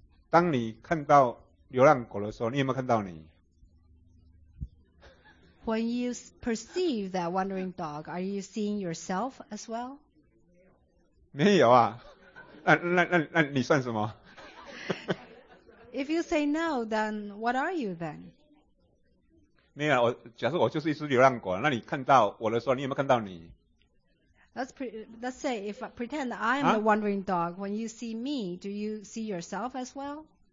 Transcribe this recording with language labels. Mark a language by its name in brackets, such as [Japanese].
[Chinese] 当你看到流浪狗的时候，你有没有看到你 [English] ？When you perceive that wandering dog, are you seeing yourself as well? [Chinese] 没有啊，那你算什么 [English] ？If you say no, then what are you then? [Chinese] 没有啊，假设我就是一只流浪狗，那你看到我的时候，你有没有看到你？ [English] Let's say if I pretend I am a wandering dog, when you see me, do you see yourself as well?